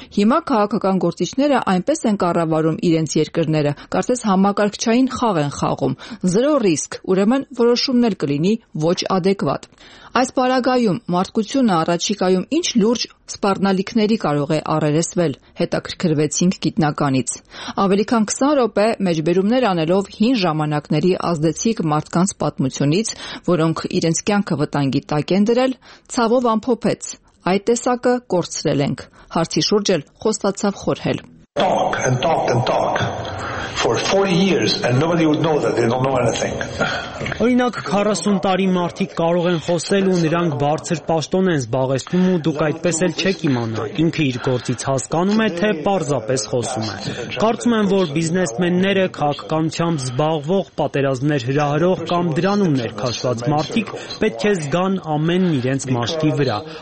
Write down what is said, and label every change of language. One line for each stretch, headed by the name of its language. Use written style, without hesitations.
Armenian: Հիմա քաղաքական գործիչները այնպես են կառավարում իրենց երկրները, կարծես համակարգչային խաղ են խաղում, զրո ռիսկ, ուրեմն որոշումներ կլինի ոչ ադեկվատ։ Այս պարագայում մարդկությունը առաջիկայում ինչ լուրջ սպառնալիքների կարող է առերեսվել, հետաքրքրվեցինք գիտնականից։ Ավելի քան 20 րոպե մեջբերումներ անելով հին ժամանակների ազդեցիկ մարդկանց պատմությունից, որոնք իրենց կյանքը վտանգի տակ են դրել, ցավով ամփոփեց. այդ տեսակը կորցրել ենք, հարցի շուրջը խոստացավ Խորհել։
English: Talk and talk and talk for 40 years and nobody would know that they don't know anything.
Armenian: Օրինակ 40 տարի մարդիկ կարող են խոսել ու նրանք բարձր պաշտոն են զբաղեցնում ու դուք այդպես էլ չեք իմանա, ինքը իր գործից հասկանում է, թե պարզապես խոսում է։ Կարծում եմ, որ բիզնեսմենները, քաղաքականությամբ զբաղվող, պատերազմներ հրահրող կամ դրանում ներքաշված մարդիկ պետք է զգան ամեն իրենց մաշկի վրա,